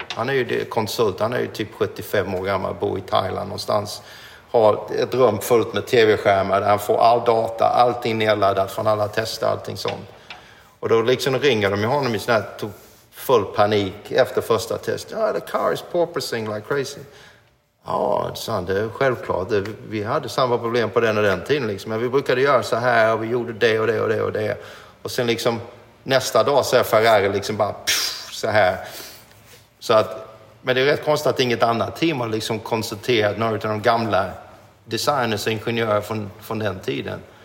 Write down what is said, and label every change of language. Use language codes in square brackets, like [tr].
[sv] Han är ju konsult, han är ju typ 75 år gammal, bor i Thailand någonstans. Har ett rum fullt med tv-skärmar där han får all data, allting nedladdat från alla tester, allting sånt. Och då liksom ringer de ju honom i sån här full panik efter första test. Ja, [en] the car is porpoising like crazy. [sv] Ja, sant, det är självklart. Vi hade samma problem på den och den tiden. Liksom. Men vi brukade göra så här och vi gjorde det och det och det och det. Och sen liksom nästa dag så är Ferrari liksom bara pff, så här. Så att, men det är rätt konstigt att inget annat team har liksom konsulterat några av de gamla designers och ingenjörer från den tiden.